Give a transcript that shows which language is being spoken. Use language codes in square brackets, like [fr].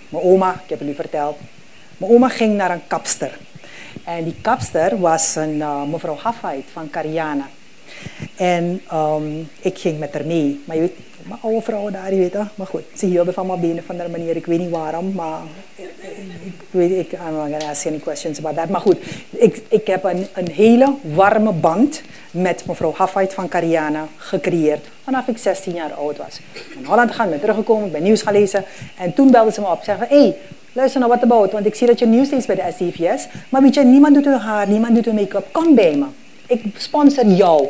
[nl] Mijn oma, ik heb het nu verteld. Mijn oma ging naar een kapster. En die kapster was een mevrouw Hafheid van Kariana. En ik ging met haar mee. Maar je weet, mijn oude vrouwen daar, je weet het. Maar goed, ze hielden van mijn benen van de manier. Ik weet niet waarom, maar... [en] I'm not gonna ask any questions about that. [nl] Maar goed, ik heb een hele warme band met mevrouw Hafheid van Kariana gecreëerd. Vanaf ik 16 jaar oud was. Ik ben in Holland gegaan, ben teruggekomen, ik ben nieuws gaan lezen. En toen belden ze me op, zeggen, hey, luister naar wat about. Want ik zie dat je nieuws leest bij de SDVS. Maar weet je, niemand doet hun haar, niemand doet hun make-up. Kom bij me. Ik sponsor jou.